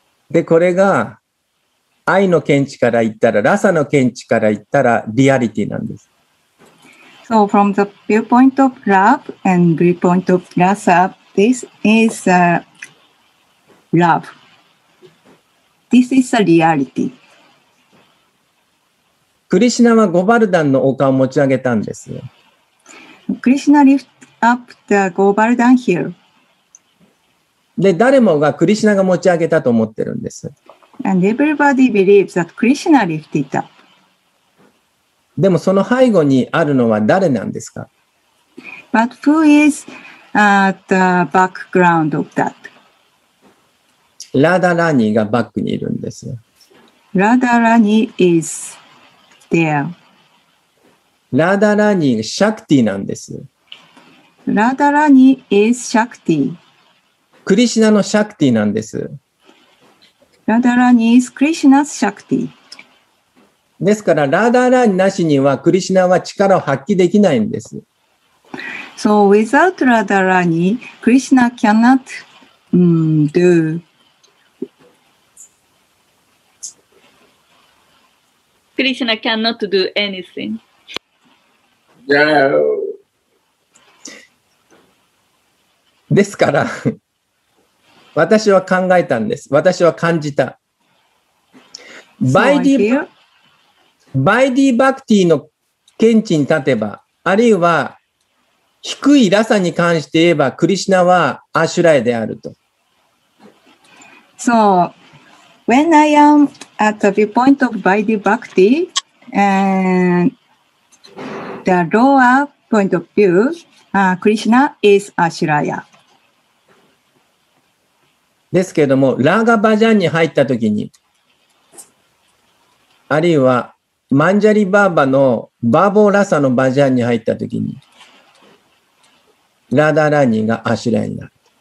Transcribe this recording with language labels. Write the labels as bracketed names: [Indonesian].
[Japanese] で、これが愛の見地から言ったら、ラサの見地から言ったら、リアリティなんです。 [English] So from the viewpoint of love and viewpoint of Rasa, this is love. This is a reality. [Japanese] クリシナはゴバルダンの丘を持ち上げたんです。 [English] クリシナ lift up the Govardhan hill. [Japanese] で、誰もがクリシナが持ち上げたと思ってるんです。 [English] And everybody believes that Krishna lifted up. [Japanese] でもその背後にあるのは誰なんですか？ [English] But who is at the background of that? [Japanese] ラダラニがバックにいるんです。 [English] ラダラニ is there. [Japanese] ラダラニがシャクティなんです。 [English] ラダラニ is Shakti. [Japanese] クリシナのシャクティなんです。 [English] ラダラニ is Krishna's Shakti. [Japanese] ですから、ラダラニなしにはクリシナは力を発揮できないんです。 [English] So without ラダラニ, Krishna cannot do. Krishna cannot do anything. No. [Japanese] ですから、私は考えたんです。私は感じた。 [English] So、by, div- [Japanese] バイディバクティの見地に立てば、あるいは低いラサに関して言えば、クリシナはアシュラエであると。 [English] So, when I am at the viewpoint of Vaidhi Bhakti and the lower point of view,Krishna is Ashraya. [Japanese] ですけれども、ラガバジャンに入ったときに、あるいはマンジャリバーバのバーボーラサのバジャンに入ったときに、ラダラニがアシュラヤになる。